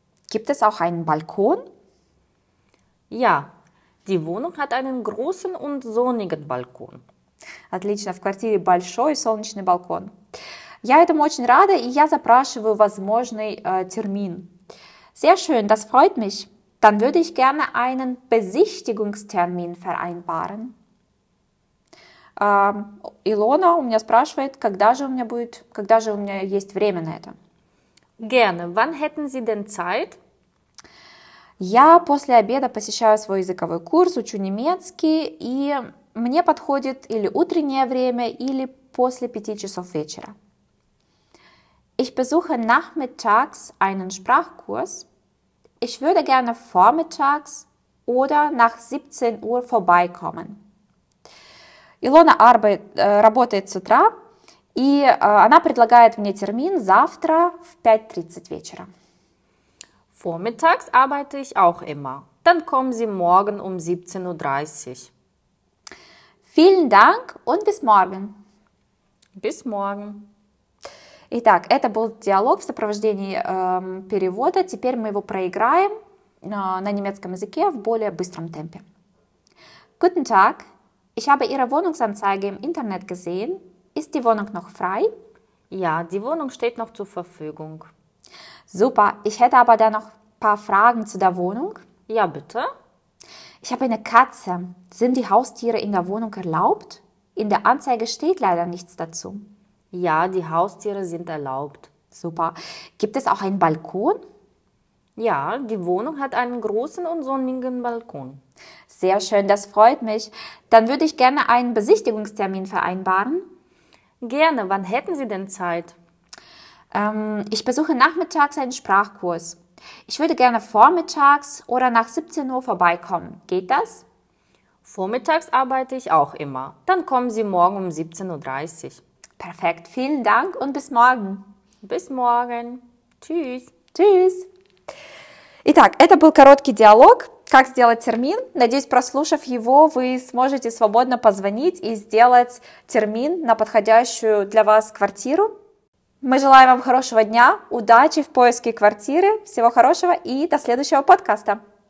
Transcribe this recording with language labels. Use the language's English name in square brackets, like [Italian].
[German] Gibt es auch einen Balkon? Ja, die Wohnung hat einen großen und sonnigen Balkon. [Russian] Отлично, в квартире большой солнечный балкон. Я этому очень рада, и я запрашиваю возможный термин. [German] Sehr schön, das freut mich. Dann würde ich gerne einen Besichtigungstermin vereinbaren. [Russian] Илона у меня спрашивает, когда же у меня есть время на это? [German] Gerne. Wann hätten Sie denn Zeit? [Russian] Я после обеда посещаю свой языковой курс, учу немецкий, и мне подходит или утреннее время, или после 5 часов вечера. [German] Ich besuche nachmittags einen Sprachkurs. Ich würde gerne vormittags oder nach 17 Uhr vorbeikommen. [Russian] Илона работает с утра, и она предлагает мне термин завтра в 5:30 вечера. [German] Vormittags arbeite ich auch immer. Dann kommen Sie morgen um 17:30 Uhr. Vielen Dank und bis morgen. Bis morgen. [Russian] Итак, это был диалог в сопровождении перевода. Теперь мы его проиграем на немецком языке в более быстром темпе. [German] Guten Tag. Ich habe Ihre Wohnungsanzeige im Internet gesehen. Ist die Wohnung noch frei? Ja, die Wohnung steht noch zur Verfügung. Super. Ich hätte aber da noch ein paar Fragen zu der Wohnung. Ja, bitte. Ich habe eine Katze. Sind die Haustiere in der Wohnung erlaubt? In der Anzeige steht leider nichts dazu. Ja, die Haustiere sind erlaubt. Super. Gibt es auch einen Balkon? Ja, die Wohnung hat einen großen und sonnigen Balkon. Sehr schön, das freut mich. Dann würde ich gerne einen Besichtigungstermin vereinbaren. Gerne. Wann hätten Sie denn Zeit? Ich besuche nachmittags einen Sprachkurs. Ich würde gerne vormittags oder nach 17 Uhr vorbeikommen. Geht das? Vormittags arbeite ich auch immer. Dann kommen Sie morgen um 17:30 Uhr. Perfekt, vielen Dank und bis morgen. Bis morgen. Tschüss. Tschüss. [Russian] Итак, это был короткий диалог. Как сделать термин? Надеюсь, прослушав его, вы сможете свободно позвонить и сделать термин на подходящую для вас квартиру. Мы желаем вам хорошего дня, удачи в поиске квартиры, всего хорошего и до следующего подкаста.